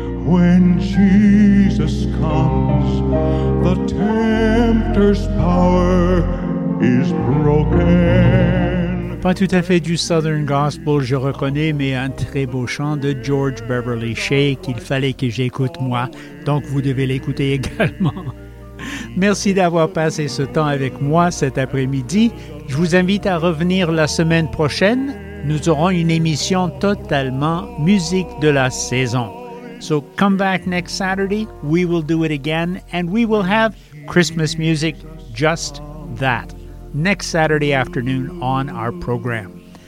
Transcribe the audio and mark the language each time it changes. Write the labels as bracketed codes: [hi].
[en] When Jesus comes, the tempter's power is broken. [fr] Pas tout à fait du Southern Gospel, je reconnais, mais un très beau chant de George Beverly Shea qu'il fallait que j'écoute moi, donc vous devez l'écouter également. Merci d'avoir passé ce temps avec moi cet après-midi. Je vous invite à revenir la semaine prochaine. Nous aurons une émission totalement musique de la saison. [en] So come back next Saturday. We will do it again and we will have Christmas music, just that, next Saturday afternoon on our program.